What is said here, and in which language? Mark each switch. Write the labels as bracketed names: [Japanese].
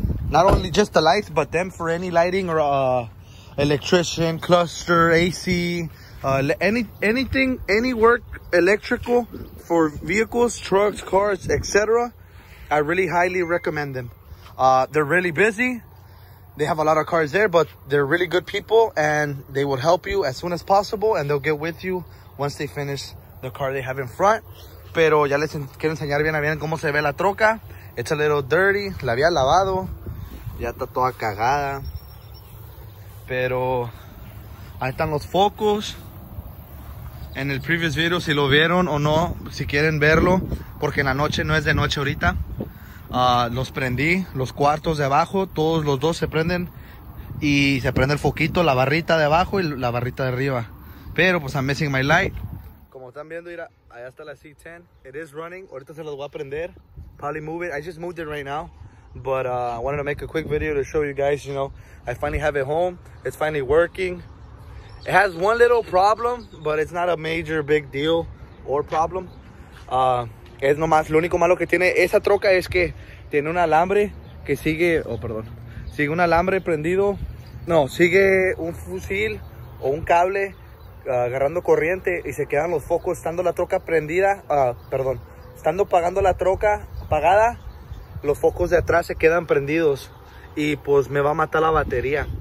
[English] Not only just the lights, but them for any lighting or electrician, cluster, AC, anything, any work electrical for vehicles, trucks, cars, etc. I really highly recommend them. They're really busy. They have a lot of cars there, but they're really good people and they will help you as soon as possible and they'll get with you once they finish the car they have in front. [Spanish] Pero ya les quiero enseñar bien a bien cómo se ve la troca. [English] It's a little dirty. [Spanish] La había lavado. Ya está toda cagada. Pero ahí están los focos. En el [English] previous video, [Spanish] si lo vieron o no, si quieren verlo, porque en la noche no es de noche ahorita, los prendí. Los cuartos de abajo, todos los dos se prenden. Y se prende el foquito, la barrita de abajo y la barrita de arriba. Pero pues [English] I'm missing my light. [Spanish] Como están viendo, mira, allá está la C10. [English] It is running. [Spanish] Ahorita se los voy a prender. [English] Probably move it. I just moved it right now. But I wanted to make a quick video to show you guys, you know, I finally have it home. It's finally working. It has one little problem, but it's not a major big deal or problem. [Spanish] Es nomás, lo único malo que tiene esa troca es que tiene un alambre que sigue, sigue un alambre prendido. No, sigue un fusil o un cable agarrando corriente y se quedan los focos estando la troca prendida, estando pagando la troca apagada, los focos de atrás se quedan prendidos y pues me va a matar la batería.